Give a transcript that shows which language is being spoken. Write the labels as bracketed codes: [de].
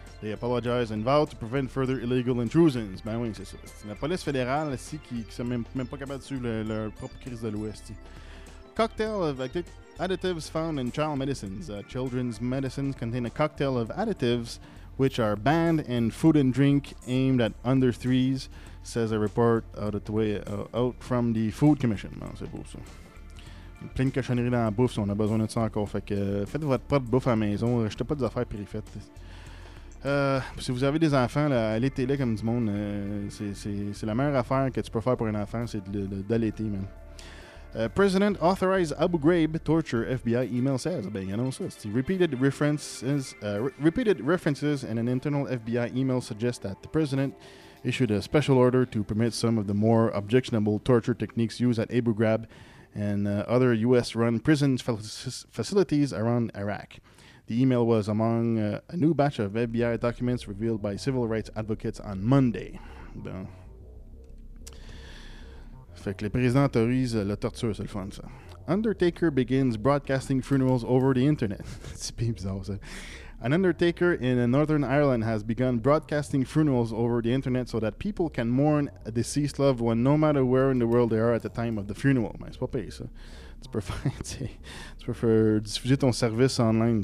[en] They apologized and vowed to prevent further illegal intrusions. [fr] Ben oui, c'est ça. C'est la police fédérale, ici, qui s'est même pas capable de suivre leur propre crise de l'Ouest. [en] Cocktail of additives found in child medicines. Children's medicines contain a cocktail of additives which are banned in food and drink aimed at under threes, says a report out from the Food Commission. [fr] Ben, c'est beau, ça. Plein de cochonneries dans la bouffe, si on a besoin de ça encore. Fait que faites votre propre bouffe à la maison. Rachetez pas des affaires préfaites. Si vous avez des enfants, là, allaitez-le comme du monde. C'est la meilleure affaire que tu peux faire pour un enfant, c'est d'allaiter, man. [en] President authorized Abu Ghraib torture, FBI email says. [fr] Ben, annonce ça. [en] Repeated references in an internal FBI email suggest that the president issued a special order to permit some of the more objectionable torture techniques used at Abu Ghraib and other U.S.-run prison facilities around Iraq. The email was among a new batch of FBI documents revealed by civil rights advocates on Monday. Bon. [fr] Fait que le président autorise la torture, c'est le fun, ça. [en] Undertaker begins broadcasting funerals over the internet. [fr] C'est bien bizarre, ça. [en] An undertaker in Northern Ireland has begun broadcasting funerals over the internet so that people can mourn a deceased loved one no matter where in the world they are at the time of the funeral. [fr] Mais c'est pas payé, ça. Tu peux faire diffuser ton service en ligne.